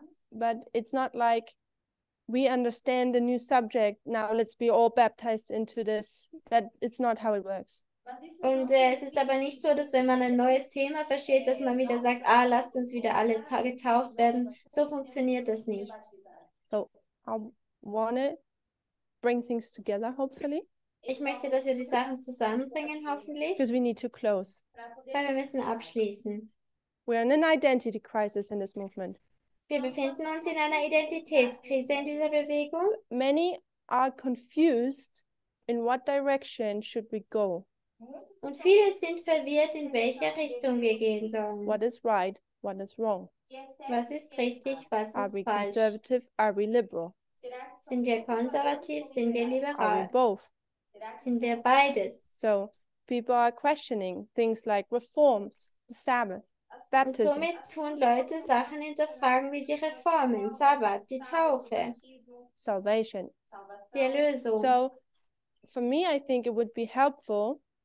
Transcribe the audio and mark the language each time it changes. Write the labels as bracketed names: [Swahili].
[English] But it's not like we understand the new subject, now let's be all baptized into this. That it's not how it works. [German] Und es ist aber nicht so, dass wenn man ein neues Thema versteht, dass man wieder sagt, lasst uns wieder alle getauft werden. So funktioniert das nicht. [English] So, I want to bring things together, hopefully. [German] Ich möchte, dass wir die Sachen zusammenbringen, hoffentlich. [English] Because we need to close. [German] Weil wir müssen abschließen. [English] We're in an identity crisis in this movement. [German] Wir befinden uns in einer Identitätskrise in dieser Bewegung. [English] Many are confused in what direction should we go. [German] Und viele sind verwirrt, in welche Richtung wir gehen sollen. [English] What is right, what is wrong? [German] Was ist richtig, was ist falsch? [English] Are we conservative, are we liberal? [German] Sind wir konservativ, sind wir liberal? [English] Are we both? [German] Sind wir beides? [English] So, people are questioning things like reforms, the Sabbath, baptism. [German] Und somit tun Leute Sachen hinterfragen wie die Reformen, Sabbat, die Taufe. [English] Salvation. [German] Die Erlösung. [English] So, for me, I think it would be helpful.